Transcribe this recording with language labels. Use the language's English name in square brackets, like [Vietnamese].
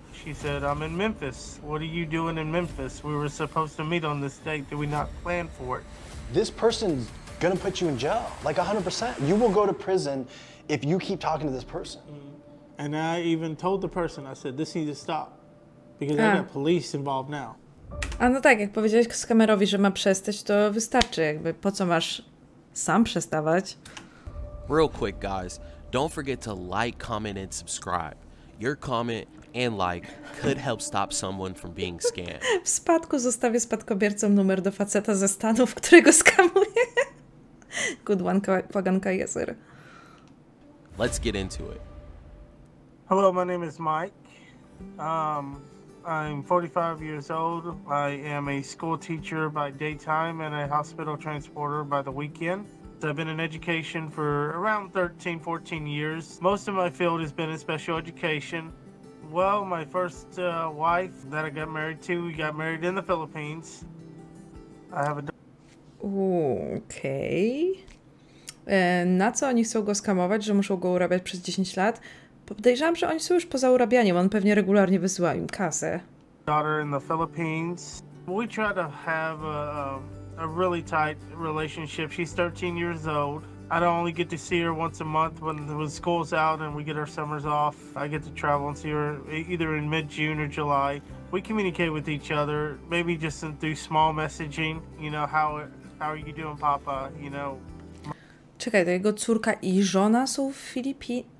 [English] She said, I'm in Memphis. What are you doing in Memphis? We were supposed to meet on this date. Did we not plan for it? This person's gonna put you in jail, like 100%. You will go to prison if you keep talking to this person. And I even told the person, I said, this needs to stop, because I got police involved now. [Polish] A no tak, jak powiedziałeś skamerowi, że ma przestać, to wystarczy, jakby po co masz sam przestawać? [English] Real quick, guys, don't forget to like, comment, and subscribe. Your comment and like could help stop someone from being scammed. [Polish] W spadku zostawię spadkobiercom numer do faceta ze Stanów, którego skamuje. [English] Good one, Paganka Jezer. Let's get into it. Hello, my name is Mike. I'm 45 years old. I am a school teacher by daytime and a hospital transporter by the weekend. So I've been in education for around 13, 14 years. Most of my field has been in special education. Well, my first wife that I got married to, we got married in the Philippines. I have a Okay. [Polish] Na co oni chcą go skamować, że muszą go urabiać przez 10 lat? Podejrzewam, że oni są już poza urabianiem. On pewnie regularnie wysyła im kasę. [English] Daughter in the Philippines. We try to have a really tight relationship. She's 13 years old. I don't only get to see her once a month when school's out and we get our summers off. I get to travel and see her either in mid-June or July. We communicate with each other, maybe just through small messaging. You know, how are you doing, Papa? You know. [Polish] Czekaj, to jego córka i żona są w Filipinach?